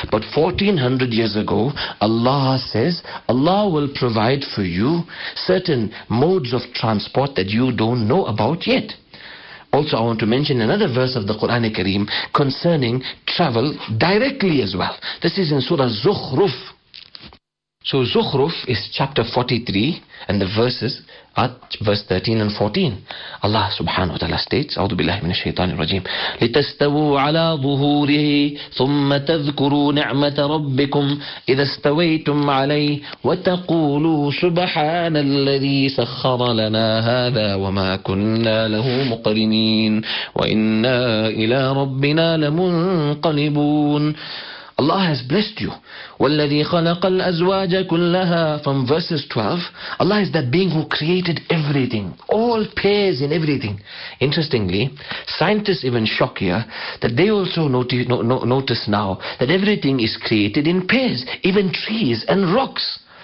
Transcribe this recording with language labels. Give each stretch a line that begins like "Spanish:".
English: But 1400 years ago, Allah says, Allah will provide for you certain modes of transport that you don't know about yet. Also, I want to mention another verse of the Quran Kareem concerning travel directly as well. This is in Surah Zukhruf. So Zukhruf is chapter 43 and the verses are verse 13 and 14. Allah subhanahu wa ta'ala states,
Arabic: أعوذ بالله من الشيطان الرجيم لتستووا على ظهوره ثم تذكروا نعمة ربكم إذا استويتم عليه وتقولوا سبحان الذي سخر لنا هذا وما كنا له مقرنين وإنا إلى ربنا لمنقلبون.
English: Allah has blessed you.
Arabic: وَالَّذِي خَلَقَ الْأَزْوَاجَ كُلَّهَا.
English: From verses 12, Allah is that being who created everything, all pairs in everything. Interestingly, scientists even shock here that they also notice now that everything is created in pairs, even trees and rocks.